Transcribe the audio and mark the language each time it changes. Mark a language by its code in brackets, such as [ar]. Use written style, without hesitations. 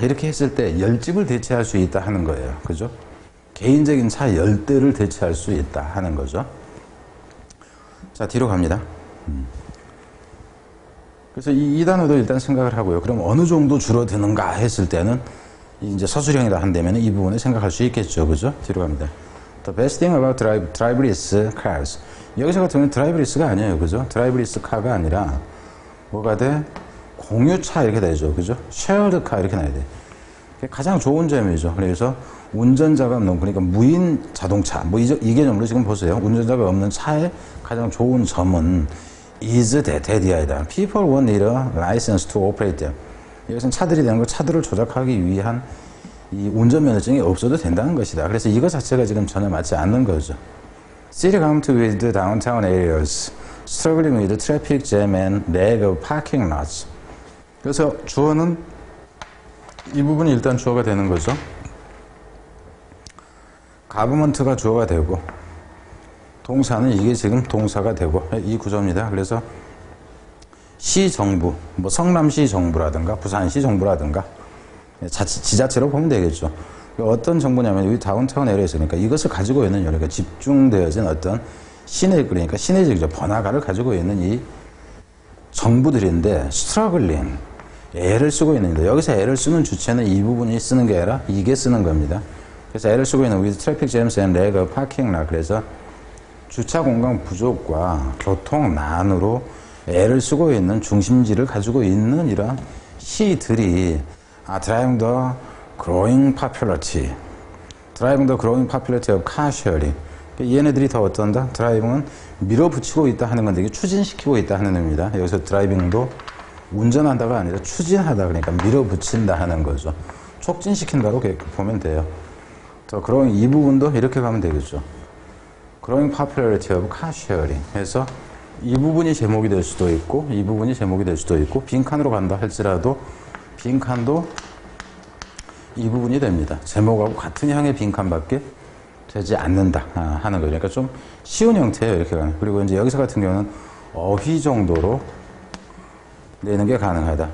[ko] 이렇게 했을 때 10집을 대체할 수 있다 하는 거예요. 그죠? 개인적인 차 10대를 대체할 수 있다 하는 거죠. 자, 뒤로 갑니다. 그래서 이 단어도 일단 생각을 하고요. 그럼 어느 정도 줄어드는가 했을 때는 이제 서술형이라 한다면 이 부분을 생각할 수 있겠죠. 그죠? 뒤로 갑니다. [en] The best thing about driverless cars. [ko] 여기서 같은 경우는 드라이브리스가 아니에요. 그죠? 드라이브리스 카가 아니라 뭐가 돼? 공유차 이렇게 되죠. 그죠? shared car 이렇게 나야 돼. 그게 가장 좋은 점이죠. 그래서 운전자가 없는, 그러니까 무인 자동차. 뭐 이 개념으로 지금 보세요. 운전자가 없는 차의 가장 좋은 점은 [en] is that idea. People won't need a license to operate them. [ko] 여기서는 차들이 되는 거, 차들을 조작하기 위한 이 운전면허증이 없어도 된다는 것이다. 그래서 이거 자체가 지금 전혀 맞지 않는 거죠. [en] City comes with the downtown areas, struggling with traffic jam and lack of parking lots. [ko] 그래서 주어는 이 부분이 일단 주어가 되는 거죠. Government가 주어가 되고, 동사는 이게 지금 동사가 되고 이 구조입니다. 그래서 시 정부, 뭐 성남시 정부라든가 부산시 정부라든가 지자체로 보면 되겠죠. 어떤 정부냐면 여기 다운타운 에리어 있으니까 이것을 가지고 있는 요리가 집중되어진 어떤 시내, 그러니까 시내적이죠. 번화가를 가지고 있는 이 정부들인데 struggling, 애를 쓰고 있는데 여기서 애를 쓰는 주체는 이 부분이 쓰는 게 아니라 이게 쓰는 겁니다. 그래서 애를 쓰고 있는 [en] with traffic jams and lack of parking lot. [ko] 그래서 주차 공간 부족과 교통난으로 애를 쓰고 있는 중심지를 가지고 있는 이런 시들이 [en] driving the growing popularity. Driving the growing popularity of car sharing. [ko] 얘네들이 더 어떤다? Driving은 밀어붙이고 있다 하는 건데 이게 추진시키고 있다 하는 겁니다. 여기서 Driving도 운전한다가 아니라 추진하다 그러니까 밀어붙인다 하는 거죠. 촉진시킨다고 보면 돼요. 더 growing 이 부분도 이렇게 가면 되겠죠. [en] Growing popularity of car sharing. [ko] 그래서 이 부분이 제목이 될 수도 있고 이 부분이 제목이 될 수도 있고 빈칸으로 간다 할지라도 빈칸도 이 부분이 됩니다. 제목하고 같은 향의 빈칸밖에 되지 않는다 하는 거죠. 그러니까 좀 쉬운 형태예요. 이렇게 가는. 그리고 이제 여기서 같은 경우는 어휘 정도로 내는 게 가능하다.